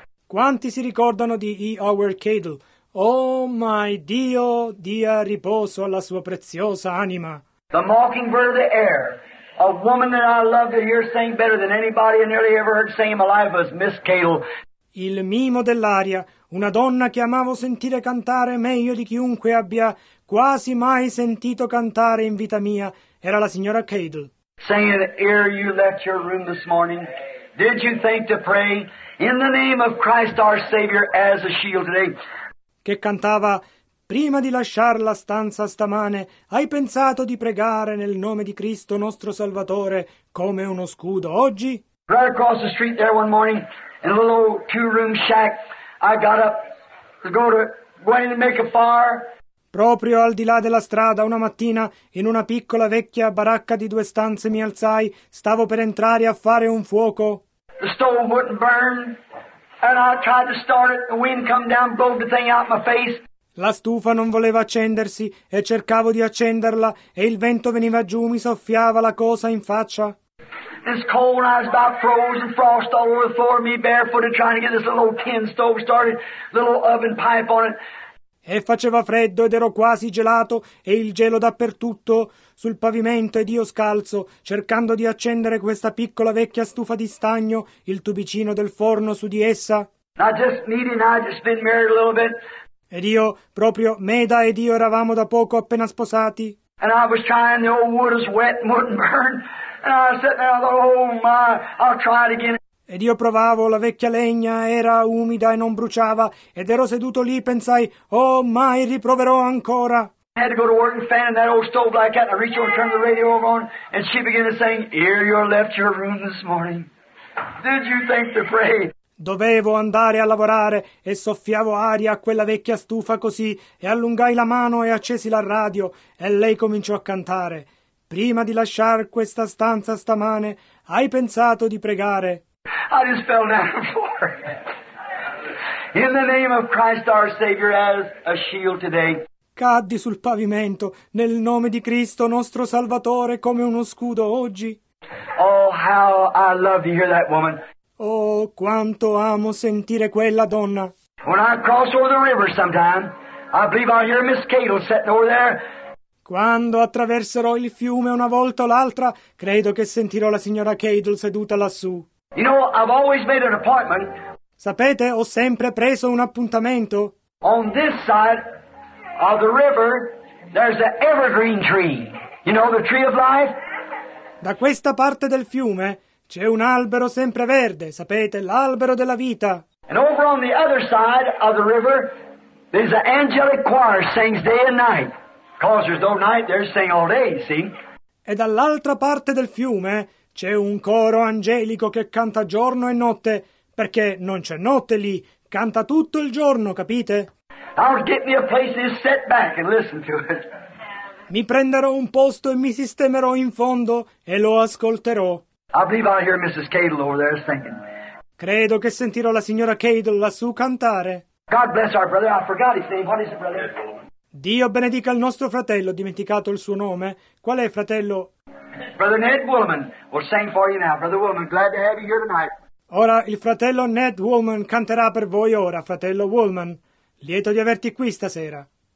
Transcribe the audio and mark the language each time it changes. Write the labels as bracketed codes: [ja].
[it] Quanti si ricordano di E. Howard Cadle? [en] Oh my [it] Dio, dia riposo alla sua preziosa anima. [en] The mockingbird of the air. A woman that I love to hear sing better than anybody I nearly ever heard sing in my life was Miss Cadle. [it] Il mimo dell'aria, una donna che amavo sentire cantare meglio di chiunque abbia quasi mai sentito cantare in vita mia, era la signora Cadle. [en] Saying, ere you left your room this morning, did you think to pray in the name of Christ our Savior as a shield today? [it] Che cantava, prima di lasciare la stanza stamane, hai pensato di pregare nel nome di Cristo nostro Salvatore come uno scudo oggi? [en] Right across the street there one morning, in a little two-room shack, I got up, going to make a fire. [it] Proprio al di là della strada, una mattina, in una piccola vecchia baracca di due stanze mi alzai, stavo per entrare a fare un fuoco. [en] The stove wouldn't burn, and I tried to start it, the wind come down, blew the thing out my face. [it] La stufa non voleva accendersi e cercavo di accenderla e il vento veniva giù, mi soffiava la cosa in faccia. [en] This cold, I was about frozen, frost all over the floor, me barefooted trying to get this little tin stove started, little oven pipe on it. [it] E faceva freddo ed ero quasi gelato e il gelo dappertutto, sul pavimento ed io scalzo, cercando di accendere questa piccola vecchia stufa di stagno, il tubicino del forno su di essa. [en] I just needed, I just been married a little bit. [it] Ed io, proprio Meda ed io eravamo da poco appena sposati. [en] And I was trying, the old wood was wet and wouldn't burn. And I was sitting there, I thought, oh my, I'll try it again. Ed io provavo, la vecchia legna era umida e non bruciava, ed ero seduto lì, pensai, oh mai, riproverò ancora. I had to go to work and fan in that old stove like that, and I reach over and turn the radio over on, and she began to sing, here you left your room this morning. Did you think to pray? [it] Dovevo andare a lavorare e soffiavo aria a quella vecchia stufa così e allungai la mano e accesi la radio e lei cominciò a cantare. Prima di lasciar questa stanza stamane, hai pensato di pregare? [en] I just fell down before. In the name of Christ our Savior as a shield today. [it] Caddi sul pavimento nel nome di Cristo nostro Salvatore come uno scudo oggi. [en] Oh, how I love to hear that woman. [it] Oh, quanto amo sentire quella donna. [en] When I cross over the river sometime, I believe I hear Miss Cato sitting over there. [it] Quando attraverserò il fiume una volta o l'altra, credo che sentirò la signora Cadle seduta lassù. [en] You know, I've always made an appointment. [it] Sapete, ho sempre preso un appuntamento. [en] On this side of the river, there's the evergreen tree. You know, the tree of life? [it] Da questa parte del fiume c'è un albero sempreverde, sapete, l'albero della vita. [en] And over on the other side of the river, there's an angelic choir sings day and night. Because there's no night, they're singing all day, see? [it] E dall'altra parte del fiume c'è un coro angelico che canta giorno e notte, perché non c'è notte lì, canta tutto il giorno, capite? [en] I'll get me a place to sit back and listen to it. [it] Mi prenderò un posto e mi sistemerò in fondo e lo ascolterò. [en] I believe I hear Mrs. Cadle over there singing. [it] Credo che sentirò la signora Cadle lassù cantare. [en] God bless our brother. I forgot his name. What is it, brother? [it] Dio benedica il nostro fratello, dimenticato il suo nome. Qual è, fratello? [en] Brother Ned Woolman will sing for you now. Brother Woolman, glad to have you here tonight. [it] Ora il fratello Ned Woolman canterà per voi ora, fratello Woolman. Lieto di averti qui stasera.